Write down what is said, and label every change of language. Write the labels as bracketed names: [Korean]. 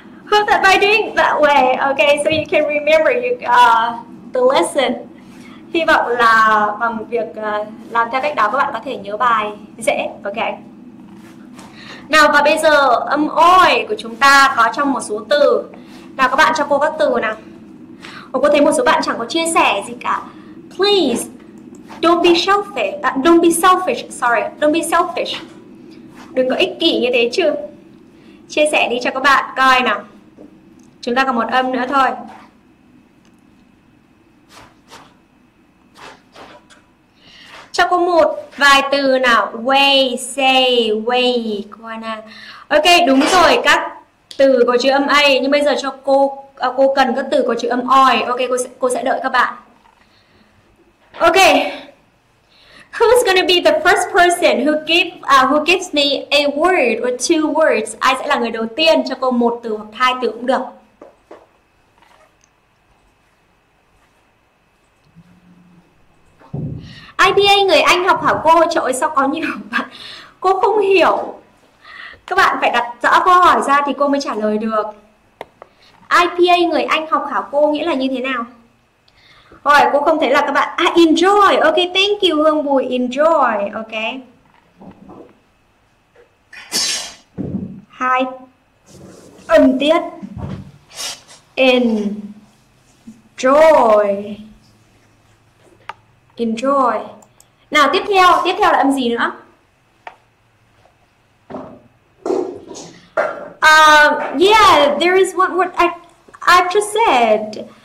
[English] Hope that by doing that way, ok, so you can remember you, the lesson. [Vietnamese] Hy vọng là bằng việc làm theo cách đó các bạn có thể nhớ bài dễ. Ok. Nào và bây giờ âm oi của chúng ta có trong một số từ. Nào các bạn cho cô các từ nào. Ồ, cô thấy một số bạn chẳng có chia sẻ gì cả. [English] Please, don't be selfish. Don't be selfish, sorry. Don't be selfish. [Vietnamese] Đừng có ích kỷ như thế chứ. Chia sẻ đi cho các bạn coi nào. Chúng ta còn một âm nữa thôi. Cho cô một vài từ nào. Way, say, way, quana. Ok, đúng rồi, các từ có chữ âm A. Nhưng bây giờ cho cô cần các từ có chữ âm oi. Ok, cô sẽ đợi các bạn. Ok. [English] Who's gonna be the first person who gives me a word or two words? [Vietnamese] Ai sẽ là người đầu tiên cho cô một từ hoặc hai từ cũng được. IPA người Anh học hỏi cô, trời ơi sao có nhiều bạn. Cô không hiểu. Các bạn phải đặt rõ câu hỏi ra thì cô mới trả lời được. IPA người Anh học hỏi cô nghĩa là như thế nào? Rồi, cô không thấy là các bạn enjoy. [English] Ok, thank you Hương Bùi, enjoy. Ok. [Vietnamese] Hai âm tiết. Enjoy. [English] Enjoy. [Vietnamese] Nào tiếp theo là âm gì nữa? [English] Yeah, there is one word I've just said.